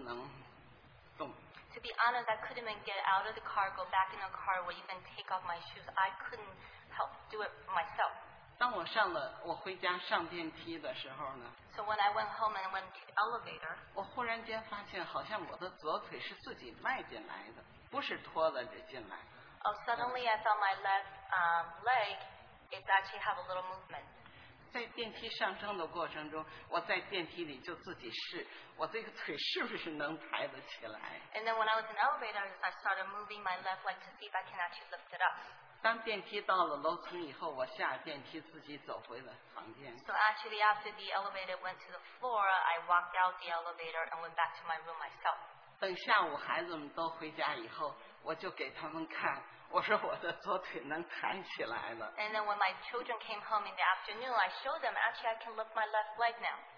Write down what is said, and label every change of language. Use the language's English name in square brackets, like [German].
[Chinese] 说实在的，我上汽车、下汽车、拖鞋，几乎自己都不能动。 [English] To be honest, I couldn't even get out of the car, go back in the car, or even take off my shoes. I couldn't help do it myself. [Chinese] 当我回家上电梯的时候呢， [English] So when I went home and went to the elevator, [Chinese] 我忽然间发现好像我的左腿是自己迈进来的， 不是拖了着进来的。 [English] Oh, suddenly I felt my left leg is actually have a little movement. [Chinese] 在电梯上升的过程中， 我在电梯里就自己试， 我这个腿是不是能抬得起来。 [English] And then when I was in the elevator, I started moving my left leg to see if I can actually lift it up. [Chinese] 当电梯到了楼层以后， 我下电梯自己走回了房间。 [English] So actually after the elevator went to the floor, I walked out the elevator and went back to my room myself. [Chinese] 等下午孩子们都回家以后， 我就给他们看， 我说我的左腿能弹起来了。 [English] And then when my children came home in the afternoon, I showed them, actually I can lift my left leg now.